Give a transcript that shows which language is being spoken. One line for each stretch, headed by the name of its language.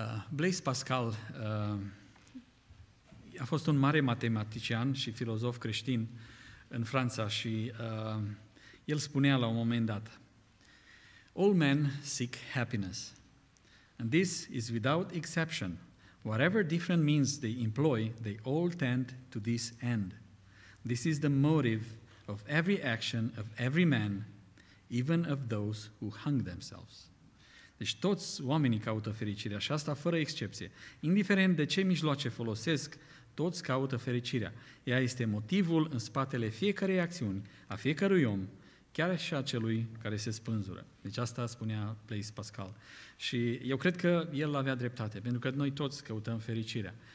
Romanian: Blaise Pascal a fost un mare matematician și filozof creștin în Franța și el spunea la un moment dat:
English: All men seek happiness. And this is without exception. Whatever different means they employ, they all tend to this end. This is the motive of every action of every man, even of those who hung themselves.
Romanian: Deci toți oamenii caută fericirea și asta fără excepție. Indiferent de ce mijloace folosesc, toți caută fericirea. Ea este motivul în spatele fiecarei acțiuni, a fiecărui om, chiar și a celui care se spânzură. Deci asta spunea Blaise Pascal. Și eu cred că el avea dreptate, pentru că noi toți căutăm fericirea.